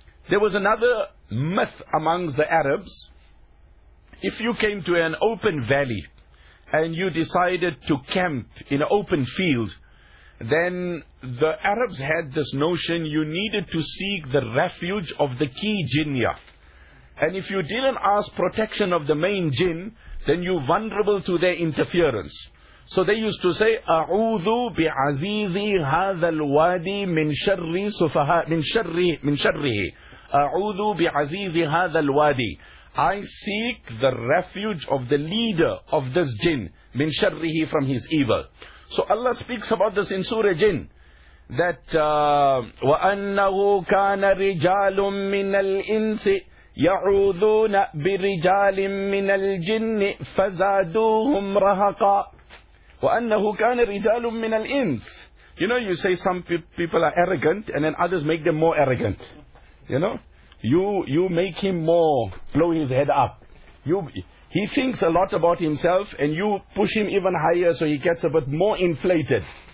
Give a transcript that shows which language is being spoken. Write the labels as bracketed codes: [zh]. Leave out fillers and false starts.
[en] There was another myth amongst the Arabs. If you came to an open valley and you decided to camp in an open field, then the Arabs had this notion you needed to seek the refuge of the key jinnia. And if you didn't ask protection of the main jinn, then you're vulnerable to their interference. So they used to say, [ar] أعوذ بعزيزي هذا الوادي من شر سفهاء من شره. أعوذ بعزيز هذا الوادي. [en] I seek the refuge of the leader of this jinn, [ar] من شره, [en] from his evil. So Allah speaks about this in Surah Jinn, that [ar] وَأَنَّهُ كَانَ رِجَالٌ مِّنَ الْإِنسِ يَعُوذُونَ بِرِجَالٍ مِّنَ الْجِنِّ فَزَادُوهُمْ رَهَقًا. وَأَنَّهُ كَانَ رِجَالٌ مِّنَ الْإِنسِ. [en] You know, you say some people are arrogant, and then others make them more arrogant. You know, you make him more, blow his head up. He thinks a lot about himself, and you push him even higher, so he gets a bit more inflated.